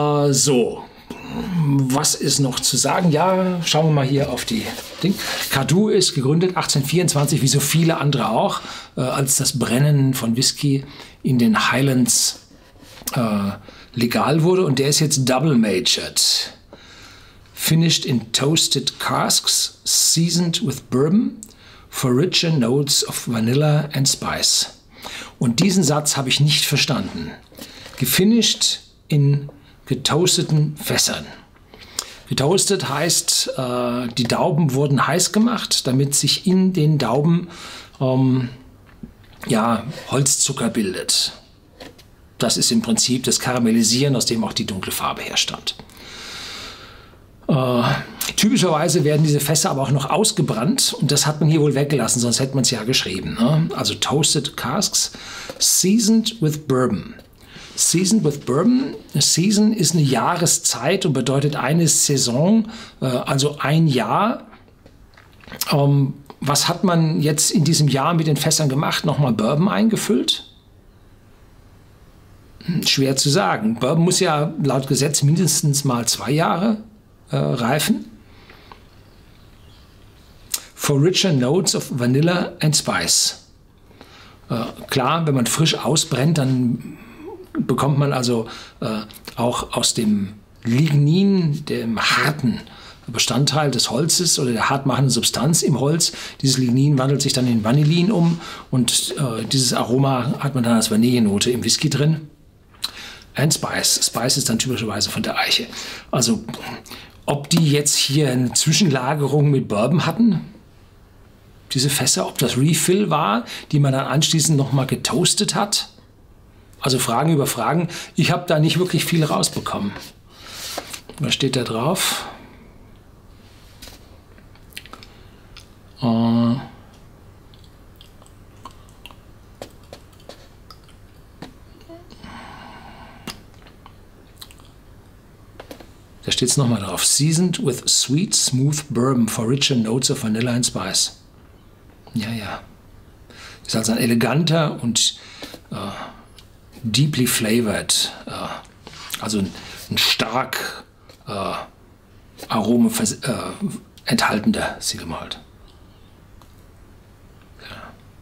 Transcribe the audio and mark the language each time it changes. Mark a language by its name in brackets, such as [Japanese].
[German] So, was ist noch zu sagen? Ja, schauen wir mal hier auf die Ding. Cardhu ist gegründet 1824, wie so viele andere auch, als das Brennen von Whisky in den Highlands legal wurde. Und der ist jetzt [English] double matured. Finished in toasted casks, seasoned with bourbon. For richer notes of vanilla and spice. [German] Und diesen Satz habe ich nicht verstanden. Gefinished in getoasteten Fässern. Getoastet heißt, die Dauben wurden heiß gemacht, damit sich in den Dauben Holzzucker bildet. Das ist im Prinzip das Karamellisieren, aus dem auch die dunkle Farbe herstammt. Typischerweise werden diese Fässer aber auch noch ausgebrannt und das hat man hier wohl weggelassen, sonst hätte man es ja geschrieben. Ne? [English] Also toasted casks, seasoned with bourbon. Seasoned with bourbon, [German] season ist eine Jahreszeit und bedeutet eine Saison, also ein Jahr. Was hat man jetzt in diesem Jahr mit den Fässern gemacht? Nochmal Bourbon eingefüllt? Schwer zu sagen. Bourbon muss ja laut Gesetz mindestens mal 2 Jahre reifen. [English] For richer notes of vanilla and spice. [German] Klar, wenn man frisch ausbrennt, dann bekommt man also auch aus dem Lignin, dem harten Bestandteil des Holzes oder der hartmachenden Substanz im Holz, dieses Lignin wandelt sich dann in Vanillin um und dieses Aroma hat man dann als Vanillenote im Whisky drin. [English] And spice. [German] Spice ist dann typischerweise von der Eiche. Also, ob die jetzt hier eine Zwischenlagerung mit Bourbon hatten, diese Fässer, ob das Refill war, die man dann anschließend nochmal getoastet hat. Also Fragen über Fragen. Ich habe da nicht wirklich viel rausbekommen. Was steht da drauf? Da steht es nochmal drauf. [English] Seasoned with sweet, smooth bourbon for richer notes of vanilla and spice. [German] Ja, ja. Ist also ein eleganter und [English] deeply flavored, [German] also ein stark Aromen enthaltende Single Malt. Ja.